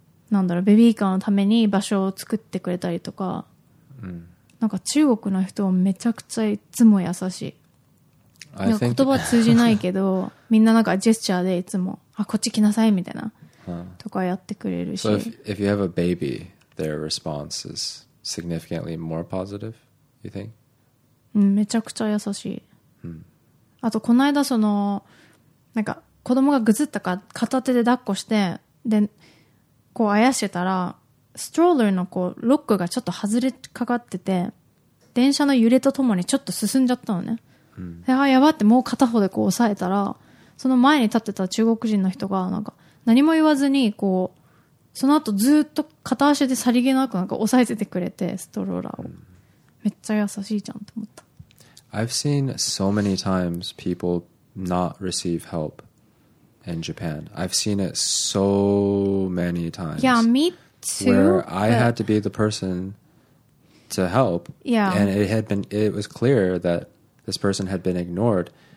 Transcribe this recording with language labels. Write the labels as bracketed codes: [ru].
[ja] なんだろう、ベビーカーのために場所を作ってくれたりとか、なんか中国の人はめちゃくちゃいつも優しい。なんか言葉は通じないけど、みんななんかジェスチャーでいつも、あ、こっち来なさいみたいな、とかやってくれるし。 [en] So if you have a baby, their response is significantly more positive, you think? [ja] めちゃくちゃ優しい。あとこの間その、なんか子供がぐずったか片手で抱っこして、で、こうあやしてたらストローラーのこうロックがちょっと外れかかってて、電車の揺れとともにちょっと進んじゃったのね、で、あやばって、もう片方でこう押さえたら、その前に立ってた中国人の人がなんか何も言わずにこうその後ずっと片足でさりげなくなんか押さえててくれて、ストローラーを、めっちゃ優しいじゃんと思った。 [en] I've seen so many times people not receive helpIn Japan, I've seen it so many times. Yeah, me too. Where I had to be the person to help. Yeah. And it was clear that this person had been ignored.